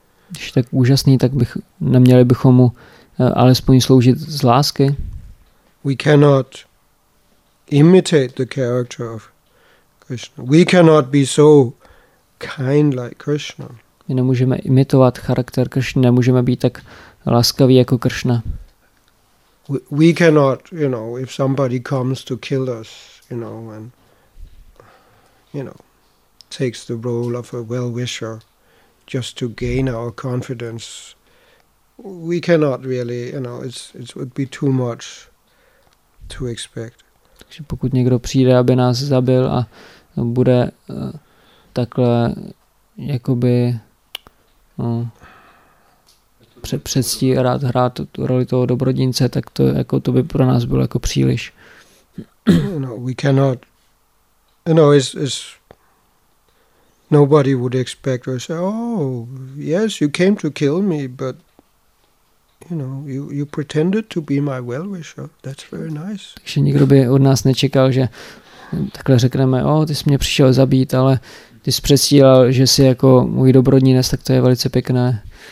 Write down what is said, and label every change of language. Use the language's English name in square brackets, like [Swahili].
[Czech] Když je tak úžasný, tak neměli bychom mu alespoň sloužit z lásky. [English] We cannot imitate the character of Krishna. We cannot be so kind like Krishna. [Czech] My nemůžeme imitovat charakter Krishny, nemůžeme být tak laskaví jako Krishna. [English] We cannot, you know, if somebody comes to kill us, you know, and, you know, takes the role of a well-wisher just to gain our confidence, we cannot really, you know, it would be too much to expect. [Czech] Takže pokud někdo přijde, aby nás zabil a bude takhle jakoby předstírat, hrát tu roli toho dobrodince, tak to jako to by pro nás bylo jako příliš. [English] No, we cannot. No, it's nobody would expect or say, oh, yes, you came to kill me, but you know, you pretended to be my well-wisher. That's very nice. [Czech] Takže nikdo by od nás nečekal, že takhle řekneme, oh, ty jsi mě přišel zabít, ale ty jsi předstíral, že jsi jako můj dobrodínec, tak to je velice pěkné.